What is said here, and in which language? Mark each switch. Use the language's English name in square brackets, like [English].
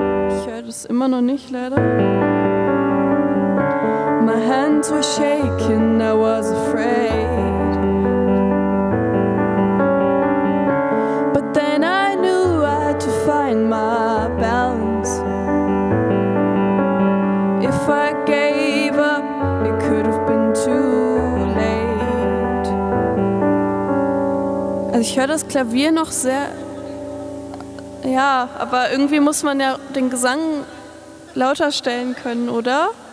[German] Ich höre das immer noch nicht, leider. [English] My hands were shaking, I was afraid. But then I knew I had to find my balance. If I gave up, it could have been too late. [German] Also ich höre das Klavier noch sehr... Ja, aber irgendwie muss man ja den Gesang lauter stellen können, oder?